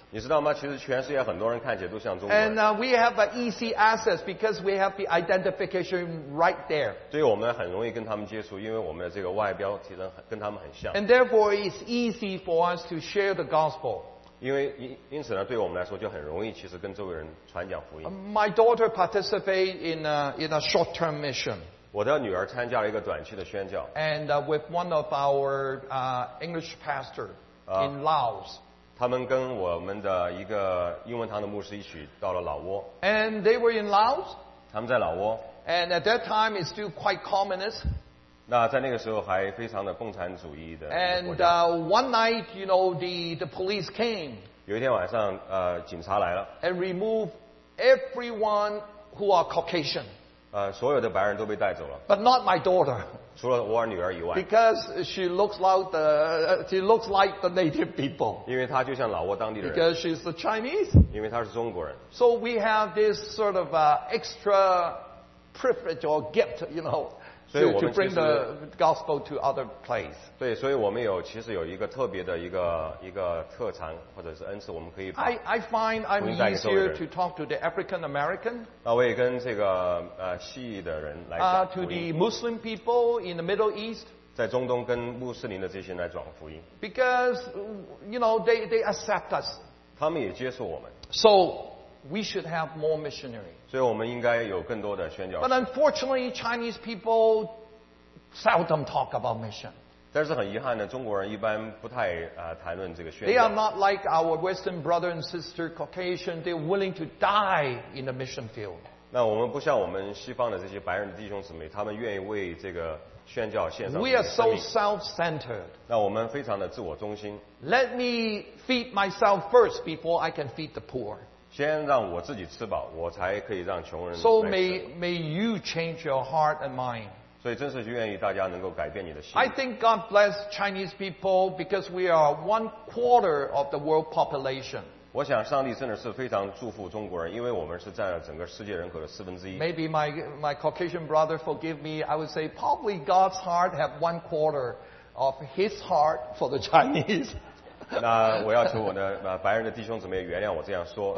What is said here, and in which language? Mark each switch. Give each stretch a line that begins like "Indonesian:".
Chinese: 你知道吗？其实全世界很多人看起来都像中国人。
English: And we have an easy access because we have the identification right there.
Chinese: 对我们很容易跟他们接触，因为我们的这个外表其实跟他们很像。
English: And therefore, it's easy for us to share the gospel.
Chinese: 因此呢，对我们来说就很容易，其实跟周围人传讲福音。
English: My daughter participated in a short-term mission.
Chinese: 我的女儿参加了一个短期的宣教
English: and with one of our English pastor in Laos
Chinese: 他们跟我们的一个英文堂的牧师一起到了老挝
English: and they were in Laos
Chinese: 他们在老挝
English: and at that time it's still quite communist
Chinese: 那在那个时候还非常的共产主义的
English: and one night you know the police came
Chinese: 有一天晚上警察来了
English: and remove everyone who are Caucasian
Chinese: 所有的白人都被带走了。
English: But not my daughter.
Chinese: 除了我女儿以外。
English: Because she looks like the native people.
Chinese: 因为她就像老挝当地的人。
English: Because she's the Chinese.
Chinese: 因为她是中国人。
English: So we have this sort of extra privilege or gift, you know, to bring the gospel to other place.
Chinese: 对，所以我们其实有一个特别的一个特长或者是恩赐，我们可以。
English: I find I'm easier to talk to the African American.
Chinese: 我也跟这个西裔的人来讲福音。
English: To the Muslim people in the Middle East.
Chinese: 在中东跟穆斯林的这些人来讲福音。
English: Because you know they accept us.
Chinese: 他们也接受我们。
English: So we should have more missionaries.
Chinese: 所以我们应该有更多的宣教士。
English: But unfortunately, Chinese people seldom talk about mission.
Chinese: 但是很遗憾呢，中国人一般不太谈论这个宣教。
English: They are not like our Western brother and sister Caucasian. They're willing to die in the mission field.
Chinese: 那我们不像我们西方的这些白人的弟兄姊妹，他们愿意为这个宣教献上自己的生命。
English: We are so self-centered.
Chinese: 那我们非常的自我中心。
English: Let me feed myself first before I can feed the poor.
Chinese: 先让我自己吃饱，我才可以让穷人来吃。
English: So may you change your heart and mind.
Chinese: 所以真是愿意大家能够改变你的心。
English: I think God bless Chinese people because we are one quarter of the world population.
Chinese: 我想上帝真的是非常祝福中国人，因为我们是占了整个世界人口的四分之一。
English: Maybe my Caucasian brother forgive me, I would say probably God's heart have one quarter of his heart for the Chinese.
Chinese: 那我要求我的白人的弟兄姊妹原谅我这样说。